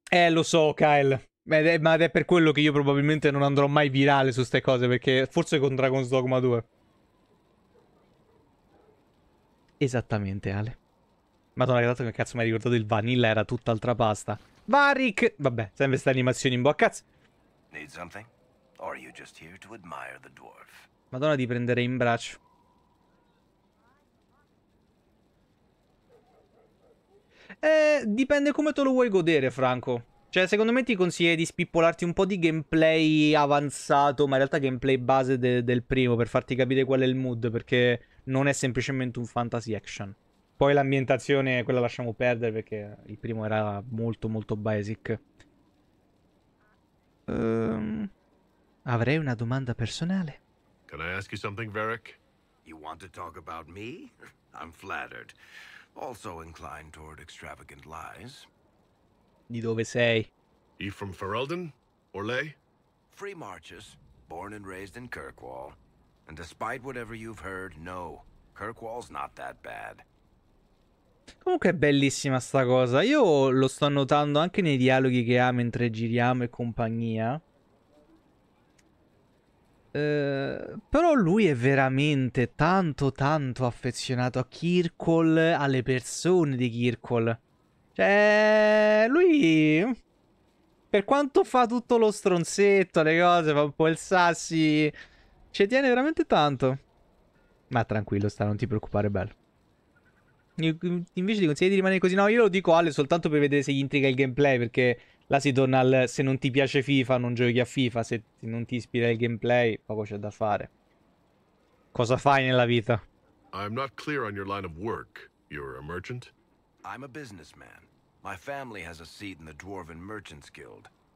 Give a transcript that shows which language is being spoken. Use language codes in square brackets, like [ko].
[it] Lo so, Kyle. Ma è per quello che io probabilmente non andrò mai virale su ste cose, perché forse con Dragon's Dogma 2. Esattamente, Ale. Madonna, che dato che cazzo mi hai ricordato il vanilla, era tutt'altra pasta. Varric! Vabbè, sempre queste animazioni in bocca. [en] Need something? Or are you just here to admire the dwarf? [it] Madonna, di prendere in braccio. Dipende come te lo vuoi godere, Franco. Cioè, secondo me ti consiglio di spippolarti un po' di gameplay avanzato, ma in realtà gameplay base del primo, per farti capire qual è il mood, perché non è semplicemente un fantasy action. Poi l'ambientazione, quella lasciamo perdere, perché il primo era molto molto basic. Avrei una domanda personale. [en] Can I ask you something, Varric? You want to talk about me? I'm flattered. Also inclined toward extravagant lies. [it] Di dove sei? [en] You from Ferelden? Orlais? Free Marches, born and raised in Kirkwall. And despite whatever you've heard, no, Kirkwall's not that bad. [it] Comunque è bellissima sta cosa. Io lo sto notando anche nei dialoghi che ha mentre giriamo e compagnia. Però lui è veramente tanto tanto affezionato a Kirkwall, alle persone di Kirkwall. Cioè, lui, per quanto fa tutto lo stronzetto, le cose, fa un po' il sassi, ci tiene veramente tanto. Ma tranquillo, sta, non ti preoccupare, bello. Invece ti consiglio di rimanere così. No, io lo dico Ale soltanto per vedere se gli intriga il gameplay, perché là si torna al se non ti piace FIFA non giochi a FIFA. Se non ti ispira il gameplay, poco c'è da fare. Cosa fai nella vita? [en] I'm not clear on your line of work. You're a merchant? I'm a businessman. My family has a seat in the Dwarven Merchants Guild.